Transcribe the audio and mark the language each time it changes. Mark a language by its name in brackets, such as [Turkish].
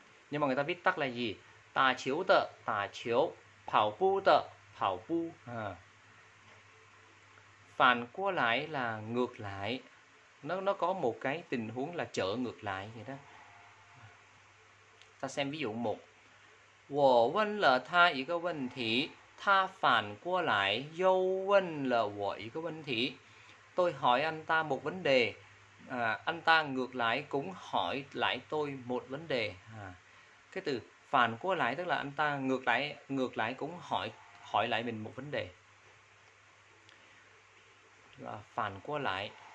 [Vietnamese] Nhưng mà người ta viết tắt là gì? Tà chiếu, bảo bu tơ, bảo bu. Phản qua lại là ngược lại, nó có một cái tình huống là trở ngược lại vậy đó. Ta xem ví dụ một. [Chinese] 我问了他一个问题，他反过来又问了我一个问题. [Vietnamese] Tôi hỏi anh ta một vấn đề, anh ta ngược lại cũng hỏi lại tôi một vấn đề. Cái từ phản qua lại tức là anh ta ngược lại cũng hỏi lại mình một vấn đề. Là phản qua lại.